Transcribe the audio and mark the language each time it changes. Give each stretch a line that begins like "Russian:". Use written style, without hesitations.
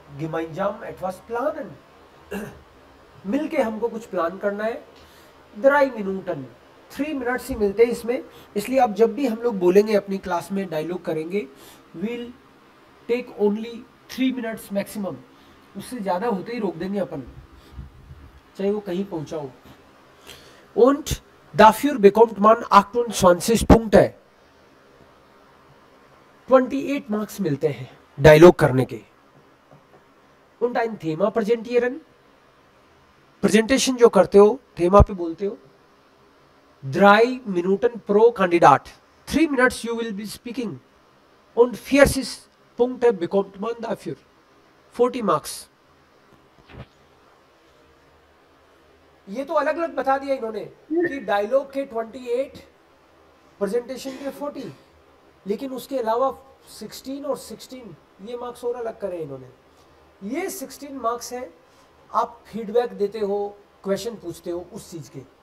German: Gemeinsam etwas planen.
Hindi: मिलके हमको कुछ प्लान करना है.
German: Drei Minuten.
Hindi: 3 minutes ही मिलते हैं इसमें, इसलिए अब जब भी हम लोग बोलेंगे अपनी क्लास में, डायलॉग करेंगे,
English: we'll take only 3 minutes maximum.
Hindi: उससे ज्यादा होते ही रोक देंगे अपन, चाहे वो कहीं पहुंचा हो.
German: Und dafür bekommt man 28 Punkte.
Hindi: 28 marks मिलते हैं डायलॉग करने के.
German: Und ein Thema präsentieren.
Hindi: Presentation जो करते हो, थेमा पे बोलते हो.
German: Drei Minuten pro Kandidat.
English: 3 minutes you will be speaking.
German: Und 40 Punkte bekommt man dafür.
English: 40 marks.
Hindi: ये तो अलग अलग बता दिया इन्होंने कि डायलॉग के 28, प्रेजेंटेशन के 40, लेकिन उसके अलावा 16 और 16 ये मार्क्स और अलग करे इन्होंने. ये 16 मार्क्स हैं, आप फीडबैक देते हो, क्वेश्चन पूछते हो उस चीज के.